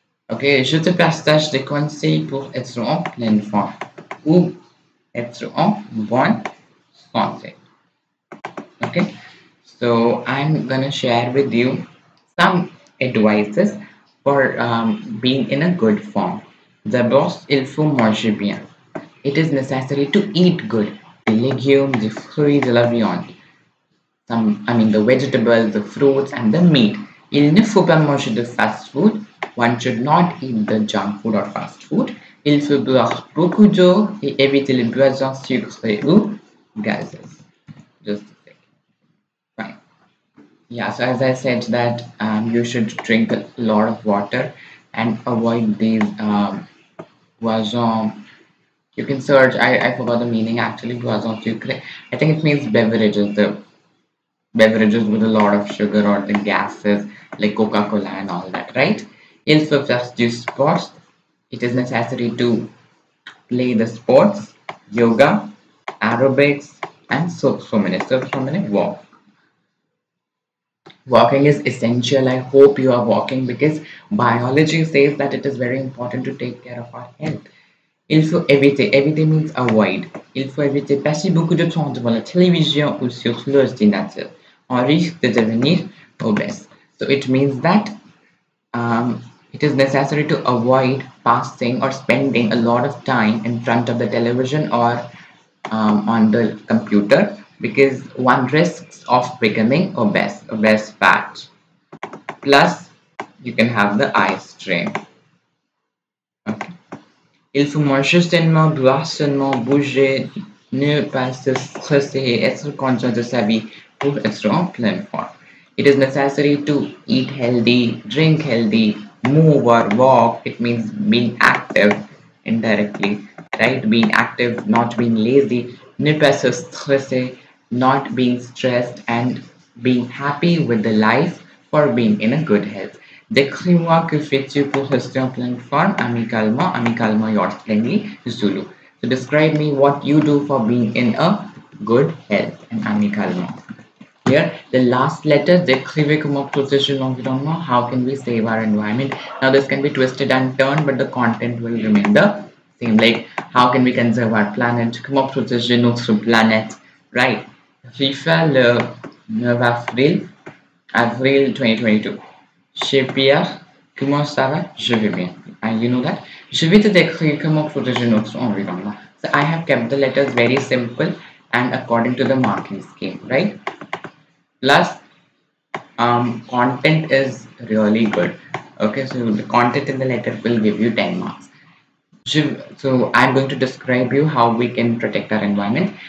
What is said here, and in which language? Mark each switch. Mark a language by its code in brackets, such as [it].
[fr] Okay, je te partage des conseils pour être en pleine forme ou être en bonne santé. [en] Okay, so I'm gonna share with you some advices for being in a good form. [fr] D'abord, il faut manger bien. [en] It is necessary to eat good. The legumes, the fruits, [fr] de la viande. [en] The vegetables, the fruits, and the meat. [fr] Il ne faut pas manger de fast food. [en] One should not eat the junk food or fast food. [fr] Il faut boire beaucoup d'eau et éviter les boissons sucrées ou gazeuses. [en] Just a second. Right. Yeah, so as I said that you should drink a lot of water and avoid these boissons. You can search, I forgot the meaning actually, boissons sucrées. I think it means beverages, the beverages with a lot of sugar or the gases like Coca-Cola and all that, right? [fr] Il faut faire du sport. [en] It is necessary to play the sports, yoga, aerobics, and so many walk. Walking is essential. I hope you are walking because biology says that it is very important to take care of our health. [fr] Il faut éviter. Éviter [en] means avoid. [fr] Il faut éviter passer beaucoup de temps devant la télévision ou sur l'ordinateur. On risque de devenir obèse. [en] So it means that it is necessary to avoid passing or spending a lot of time in front of the television or on the computer because one risks of becoming obese fat. Plus, you can have the eye strain. Okay. [fr] Il faut manger sainement, boire sainement, bouger, ne pas se stresser et être conscient de sa vie pour être en pleine forme. [en] It is necessary to eat healthy, drink healthy, move or walk. It means being active indirectly, right? Being active, not being lazy, [fr] ne pas se stresser, [en] not being stressed, and being happy with the life for being in a good health. [fr] Décris-moi que fais-tu pour rester en pleine forme amicalement, [en] yours friendly, [fr] Zulu. [en] So describe me what you do for being in a good health and amicalement. Here, the last letter, [fr] décrivez comment protéger l'environnement, [en] how can we save our environment. Now, this can be twisted and turned, but the content will remain the same. Like, how can we conserve our planet, [fr] comment protéger notre planète, [en] right? [fr] FIFA le 9 April 2022. Chez Pierre, comment ça va? Je vais bien. [en] And you know that? [fr] Je vais te décrire comment protéger notre environnement. [en] So, I have kept the letters very simple and according to the marking scheme, right? Plus, content is really good. Okay, so the content in the letter will give you 10 marks. So, I'm going to describe you how we can protect our environment.